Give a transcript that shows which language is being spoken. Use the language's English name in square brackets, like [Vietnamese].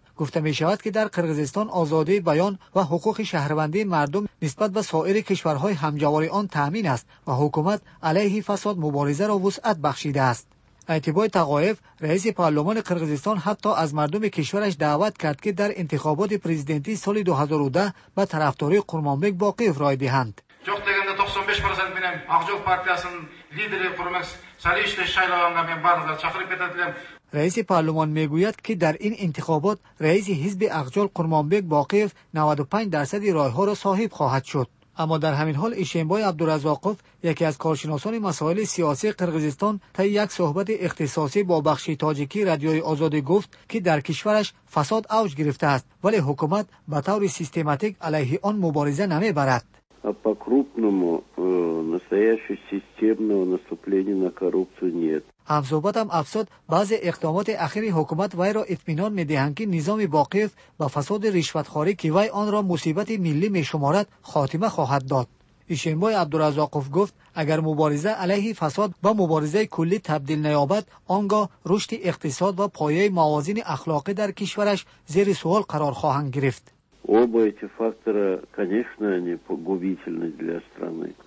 [Persian] گفته می شود که در قرقیزستان آزادی بیان و حقوق شهروندی مردم نسبت به سایر کشورهای همجوار آن تأمین است و حکومت علیه فساد مبارزه را وسعت بخشیده است. ایتیبای تقایف رئیس پارلمان قرقیزستان حتی از مردم کشورش دعوت کرد که در انتخابات پرزیدنتی سال 2010 به طرفداری قربانبیک باقیف رای دهند. [Kyrgyz] Жоқ дегенде 95% менен Акжол партиясынын лидери Курмакс Салиевди шайлаганга мен баарыңарды чакырып кетем. [Tajik] Рейс парламент мегуят ки дар ин интихобот рейс хизби Акжол Курманбек Бакиев 95% ройҳоро соҳиб хоҳад шуд. Аммо дар ҳамин ҳол Ишембой Абдуразоқов, яке аз коршиносони масоили сиёсии Қирғизистон, таи як суҳбати ихтисосӣ бо бахши тоҷикӣ радиои Озодӣ гуфт, ки дар кишвараш фасод авж гирифтааст, вале ҳукумат ба таври систематик алайҳи он мубориза намебарад. [Russian] А по крупному настоящего системного наступления на коррупцию нет. [Tajik] Амзобатам афсод баъзе иқдомоти ахири ҳукумат вайро итминон медиҳанд ки низоми Боқиев ба фасоди ришватхорӣ ки вай онро мусибати миллӣ мешуморад хотима хоҳад дод. Ишембой Абдуразоқов гуфт агар мубориза алайҳи фасод ба мубориза куллӣ табдил наёбад, онгоҳ рушди иқтисод ва пояи мавозини ахлоқӣ дар кишвараш зери суол қарор хоҳанд гирифт. [Russian] Оба эти фактора, конечно, они погубительны для страны.